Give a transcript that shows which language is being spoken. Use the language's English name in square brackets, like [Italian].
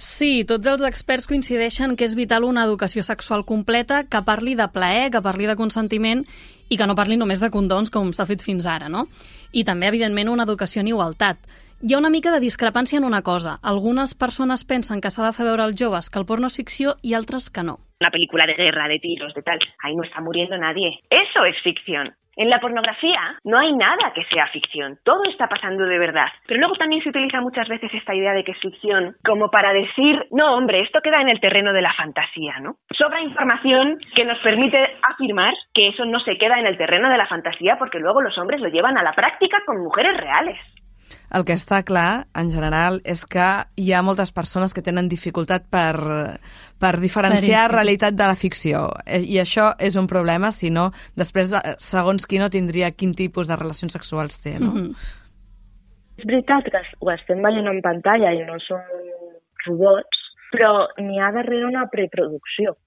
[Catalan] Sí, tots els experts coincideixen que és vital una educació sexual completa que parli de plaer, que parli de consentiment i que no parli només de condons, com s'ha fet fins ara, no? I també, evidentment, una educació en igualtat. Hi ha una mica de discrepància en una cosa. Algunes persones pensen que s'ha de fer veure als joves que el porno és ficció i altres que no. [Spanish] Una pel·lícula de guerra, de tiros, de tal. Ahí no está muriendo nadie. Eso es ficción. En la pornografía no hay nada que sea ficción. Todo está pasando de verdad. Pero luego también se utiliza muchas veces esta idea de que es ficción como para decir, no, hombre, esto queda en el terreno de la fantasía, ¿no? Sobra información que nos permite afirmar que eso no se queda en el terreno de la fantasía porque luego los hombres lo llevan a la práctica con mujeres reales. [Catalan] El que està clar, en general, és que hi ha moltes persones que tenen dificultat per diferenciar realitat de la ficció. I això és un problema, si no, després, segons qui no, tindria quin tipus de relacions sexuals té, no? És veritat que ho estem veient en pantalla i no són robots, però n'hi ha darrere una preproducció.